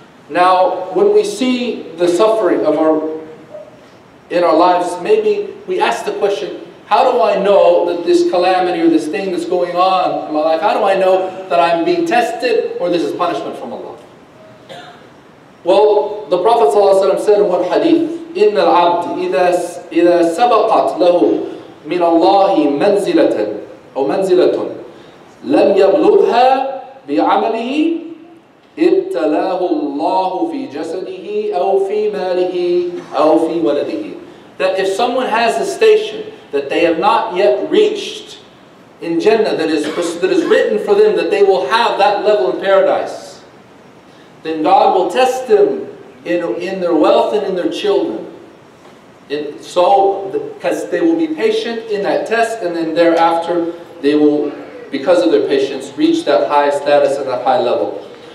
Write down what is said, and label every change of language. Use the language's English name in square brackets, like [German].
[English] Now, when we see the suffering of our in our lives, maybe we ask the question, how do I know that this calamity or this thing that's going on in my life, how do I know that I'm being tested or this is punishment from Allah? Well, the Prophet ﷺ said in one hadith, [Arabic] إِنَّ الْعَبْدِ إِذَا سَبَقَتْ لَهُ مِنَ اللَّهِ مَنْزِلَةً أو مَنْزِلَةٌ لَمْ يَبْلُغْهَا بِعَمَلِهِ إِبْتَلَاهُ اللَّهُ فِي جَسَدِهِ أَوْ فِي مَالِهِ أَوْ فِي وَلَدِهِ. [English] That if someone has a station that they have not yet reached in Jannah, that is written for them that they will have that level in paradise, then God will test them in their wealth and in their children. So, because they will be patient in that test, and then thereafter they will, because of their patience, reach that high status and that high level.